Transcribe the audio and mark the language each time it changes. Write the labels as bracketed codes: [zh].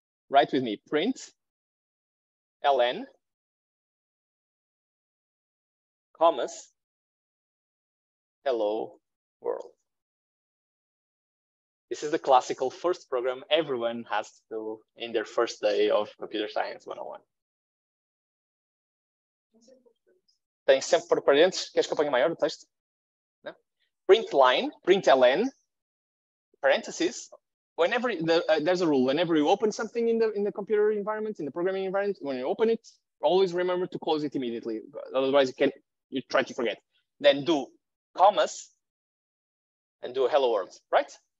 [en] Write with me, print ln commas hello world. This is the classical first program everyone has to do in their first day of computer science 101. [pt] Tem sempre por parênteses, queres que eu ponha maior o texto? [en] Não? Print line, print ln, parentheses. Whenever there's a rule, whenever you open something in the computer environment, in the programming environment, when you open it, always remember to close it immediately. Otherwise, you try to forget. Then do commas and do a hello world, right?